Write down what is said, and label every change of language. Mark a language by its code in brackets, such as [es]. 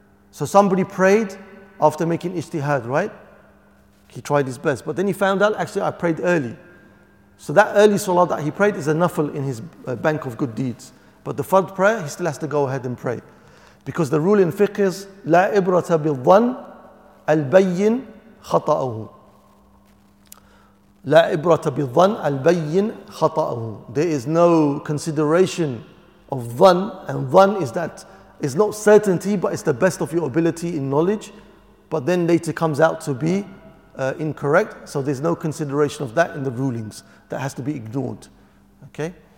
[en] So somebody prayed after making ijtihad, right? He tried his best, but then he found out, actually I prayed early. So that early salah that he prayed is a nafl in his bank of good deeds. But the fard prayer, he still has to go ahead and pray. Because the rule in fiqh is, [ar] لا إبرة بالظن البين خطأه. لا إبرة بالظن البين خطأه. [en] There is no consideration of dhan, and dhan is that, it's not certainty, but it's the best of your ability in knowledge, but then later comes out to be incorrect, so there's no consideration of that in the rulings. That has to be ignored. Okay?